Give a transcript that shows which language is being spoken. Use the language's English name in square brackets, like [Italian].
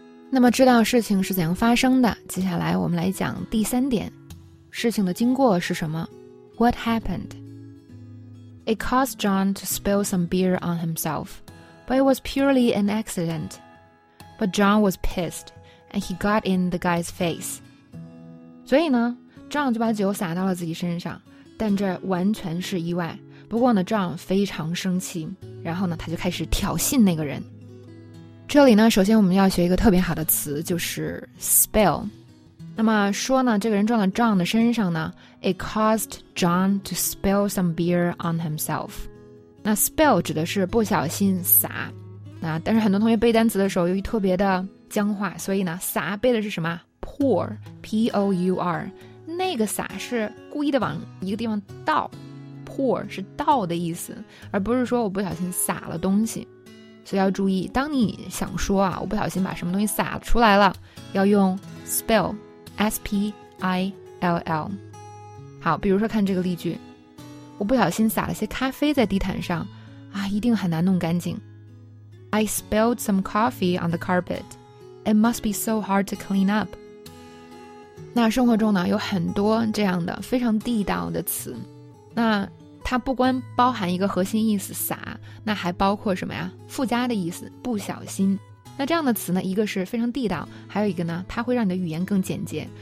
[Chinese] 那么知道事情是怎样发生的，接下来我们来讲第三点，事情的经过是什么？ [English] What happened? It caused John to spill some beer on himself, but it was purely an accident. But John was pissed, and he got in the guy's face. [Chinese] 所以呢，John就把酒洒到了自己身上，但这完全是意外。不过呢，John非常生气，然后呢，他就开始挑衅那个人。这里呢，首先我们要学一个特别好的词，就是 spill。那么说呢，这个人撞到 John 的身上呢 ， [English] it caused John to spill some beer on himself。 [Chinese] 那 spill 指的是不小心洒。那但是很多同学背单词的时候，由于特别的僵化，所以呢，洒背的是什么 ？pour，p-o-u-r。那个洒是故意的往一个地方倒 ，pour 是倒的意思，而不是说我不小心洒了东西。所以要注意，当你想说啊，我不小心把什么东西洒出来了，要用 spill。 S-P-I-L-L 好，比如说看这个例句，我不小心洒了些咖啡在地毯上啊，一定很难弄干净。 [English] I spilled some coffee on the carpet. It must be so hard to clean up. [Chinese] 那生活中呢，有很多这样的非常地道的词，那它不光包含一个核心意思洒，那还包括什么呀？附加的意思，不小心。那这样的词呢，一个是非常地道，还有一个呢，它会让你的语言更简洁。